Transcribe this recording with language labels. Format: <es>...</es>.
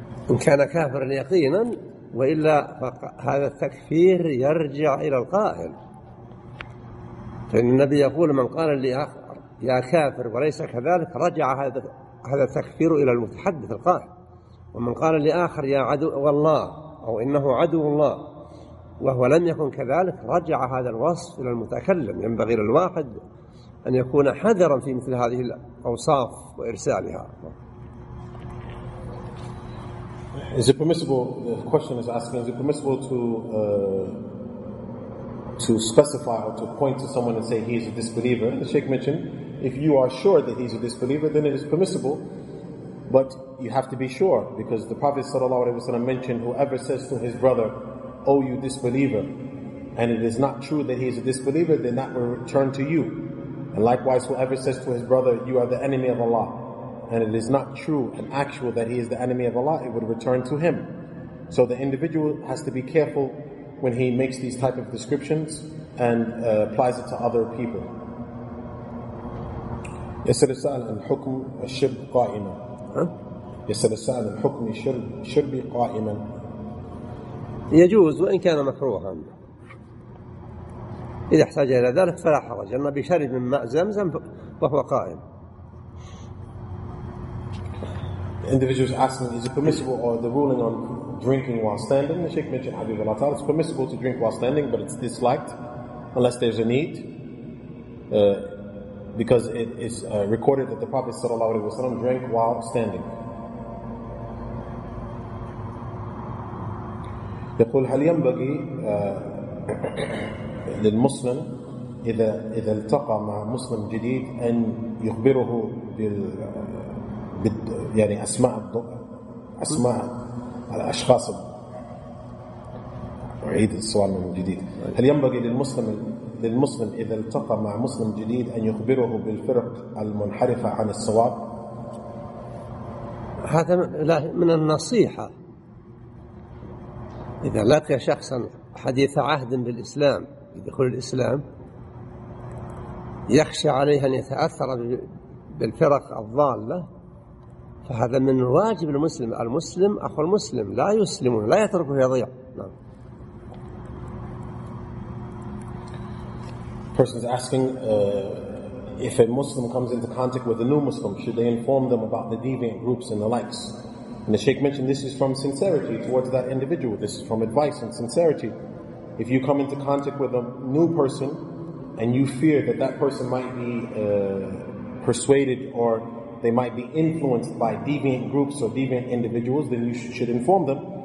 <ar>إن كان كافرا يقينا، وإلا فهذا التكفير يرجع إلى القائل، فإن النبي يقول: من قال لآخر يا كافر وليس كذلك، رجع هذا التكفير إلى المتحدث القائل. ومن قال لآخر يا عدو والله أو إنه عدو الله وهو لم يكن كذلك، رجع هذا الوصف إلى المتكلم. ينبغي للواحد أن يكون حذرا في مثل هذه الأوصاف وإرسالها.</ar> <en>Is it permissible, the question is asking, is it permissible to specify or to point to someone and say he is a disbeliever? And the Sheikh mentioned, if you are sure that he is a disbeliever, then it is permissible. But you have to be sure, because the Prophet ﷺ mentioned, whoever says to his brother, "Oh, you disbeliever," and it is not true that he is a disbeliever, then that will return to you. And likewise, whoever says to his brother, "You are the enemy of Allah," and it is not true and actual that he is the enemy of Allah, it would return to him. So the individual has to be careful when he makes these type of descriptions and applies it to other people.</en> <ar>يسأل السائل عن حكم الشرب قائما. يسأل السائل عن حكم شرب قائما. يجوز وإن كان مكروها، إذا احتاج إلى ذلك فلا حرج، أما بشرب من ماء زمزم فهو قائم.</ar> <en>Individuals asking, is it permissible, or the ruling on drinking while standing. The Sheikh mentioned Hadith al-Athar. It's permissible to drink while standing, but it's disliked unless there's a need. Because it is recorded that the Prophet sallallahu alaihi wasallam drank while standing.</en> <ar>يقول هل ينبغي للمسلم إذا التقى مع مسلم جديد أن يخبره بال يعني أسماء الضوء أسماء الأشخاص أعيد السؤال من جديد هل ينبغي للمسلم إذا التقى مع مسلم جديد أن يخبره بالفرق المنحرفة عن الصواب هذا من النصيحة إذا لقي شخصا حديث عهد بالإسلام بدخول الإسلام يخشى عليه أن يتأثر بالفرق الضالة فهذا من واجب المسلم المسلم أخو المسلم لا يسلم لا يتركه يضيع نعم.</ar> <en>Person is asking if a Muslim comes into contact with a new Muslim, should they inform them about the deviant groups and the likes? And the Shaykh mentioned this is from sincerity towards that individual. This is from advice and sincerity. If you come into contact with a new person and you fear that that person might be persuaded or they might be influenced by deviant groups or deviant individuals, then you should inform them.</en>